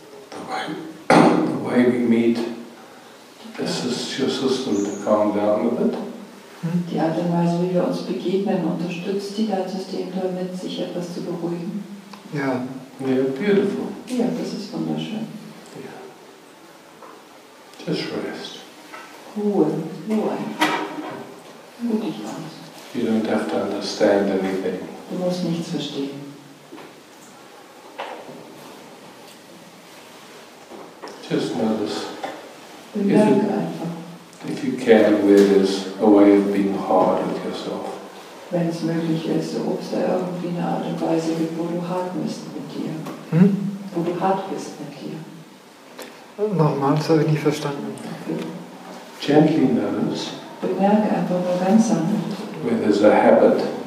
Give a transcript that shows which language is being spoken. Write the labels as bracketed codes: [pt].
[en] The way we meet, this is your system to calm down a bit. [de] Die Art und Weise, wie wir uns begegnen, unterstützt dein System damit, sich etwas zu beruhigen. Ja. [en] Yeah. Yeah, beautiful. [de] Ja, das ist wunderschön. [en] Yeah. Just rest. [de] Ruhe, Ruhe einfach. Wirklich alles. [en] You don't have to understand anything. [de] Du musst nichts verstehen. [en] Just notice. If you can, where there's a way of being hard with yourself. [de] Wenn es möglich ist, ob es da irgendwie eine Art und Weise gibt, wo du hart bist mit dir. Wo du hart bist mit dir. Nochmal, das habe ich nicht verstanden. [en] Okay. Gently notice. [de] Bemerke einfach nur ganz sanft. [en] Where there's a habit.